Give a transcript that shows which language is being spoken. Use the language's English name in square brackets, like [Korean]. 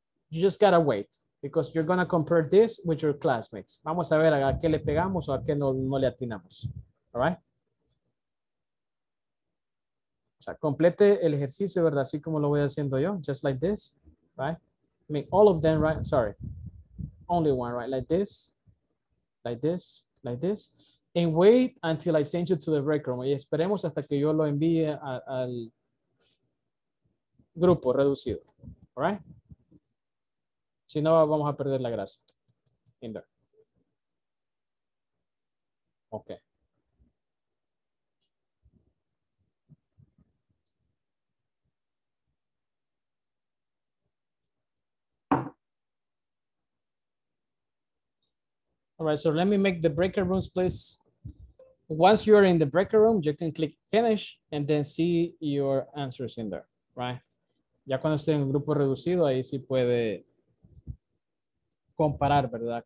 [English] You just gotta wait because you're gonna compare this with your classmates. [Spanish] Vamos a ver a qué le pegamos o a qué no le atinamos. [English] All right? [Spanish] O sea, complete el ejercicio, ¿verdad? Así como lo voy haciendo yo, [English] just like this, right? I mean, all of them, right? Sorry. Only one, right? Like this, like this, like this. And wait until I send you to the break room. [Spanish] Y esperemos hasta que yo lo envíe al grupo reducido. [English] All right? [Spanish] Si no, vamos a perder la grasa. [English] In there. Okay. All right, so let me make the breaker rooms, please. Once you're in the breaker room, you can click finish and then see your answers in there, right? [Spanish] Ya cuando esté en un grupo reducido, ahí sí puede comparar, ¿verdad?